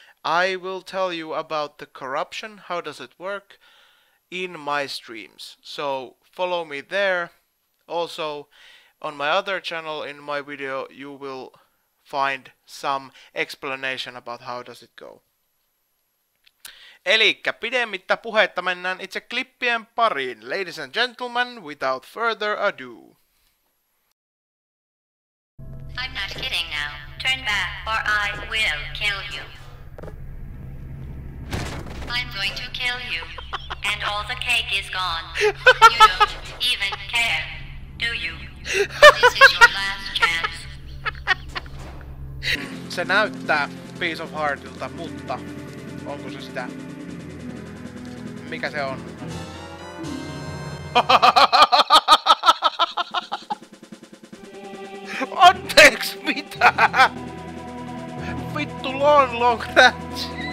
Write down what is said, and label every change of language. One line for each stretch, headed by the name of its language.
English: I will tell you about the corruption, how does it work, in my streams, so follow me there. Also, on my other channel, in my video, you will find some explanation about how does it go.
Finnish: Elikkä pidemmittä puhetta mennään itse klippien pariin.
English: Ladies and gentlemen, without further ado. I'm not kidding now. Turn back or I will kill you. I'm going to kill you. And all the cake is gone. You don't even care, do you? This is your last chance.
Finnish: Se näyttää Piece of Heartilta, mutta onko se sitä? Mikä se on? Anteeks mitä? Vittu long long rats.